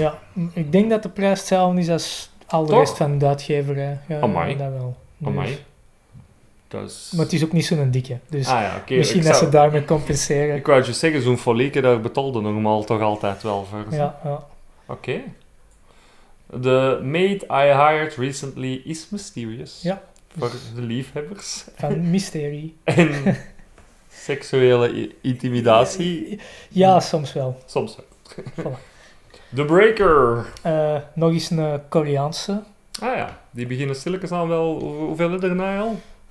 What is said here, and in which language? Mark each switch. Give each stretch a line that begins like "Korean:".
Dutch: Ja, ik denk dat de prijs hetzelfde is als al de rest van de uitgever. Amai. Dat wel. Amai. Dus... Maar het is ook niet zo'n dikke. Dus
English: Okay.
Dutch: Misschien dat ze daarmee compenseren. Ik wou je zeggen, zo'n folieke, daar betaalde normaal toch altijd wel voor. Ja. Oké.
English: The maid I hired recently is mysterious.
Dutch: Ja. Voor dus de liefhebbers. Van mysterie. En seksuele intimidatie. Ja, soms wel. Soms wel. The Breaker. Nog eens een Koreaanse. Ah ja, die beginnen stilletjes aan wel. Hoeveel is er na al?